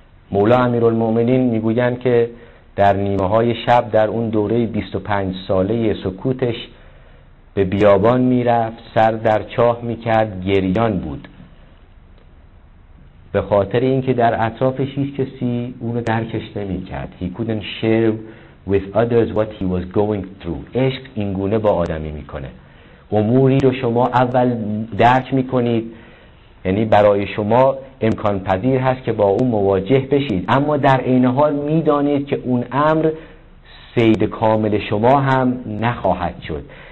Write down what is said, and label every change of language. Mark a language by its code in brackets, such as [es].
[fa] مولا امیرالمومنین میگویند که در نیمه های شب در اون دوره 25 ساله سکوتش به بیابان میرفت، سر در چاه میکرد، گریان بود، به خاطر اینکه در اطرافش هیچ کسی اونو درکش نمیکرد. [en] He couldn't share with others what he was going through. [fa] عشق اینگونه با آدمی میکنه، اموری رو شما اول درک میکنید، یعنی برای شما امکان پذیر هست که با اون مواجه بشید، اما در این حال میدانید که اون امر سید کامل شما هم نخواهد شد.